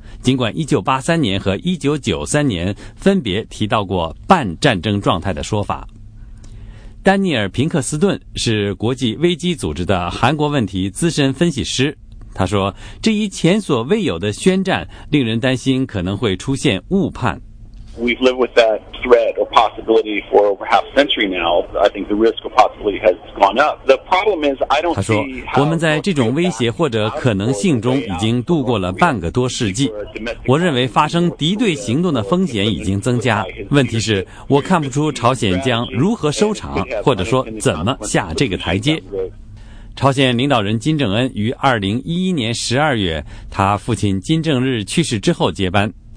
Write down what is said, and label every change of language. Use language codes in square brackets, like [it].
[zh] 尽管1983年和1993年分别提到过半战争状态的说法。丹尼尔·平克斯顿是国际危机组织的韩国问题资深分析师，他说，这一前所未有的宣战令人担心可能会出现误判。 [en] We've lived with that threat or possibility for over half a century now. I think the risk or possibility has gone up. The problem is, I don't see how. [zh] 我们在这种威胁或者可能性中已经度过了半个多世纪。我认为发生敌对行动的风险已经增加。问题是，我看不出朝鲜将如何收场，或者说怎么下这个台阶。朝鲜领导人金正恩于2011年12月，他父亲金正日去世之后接班。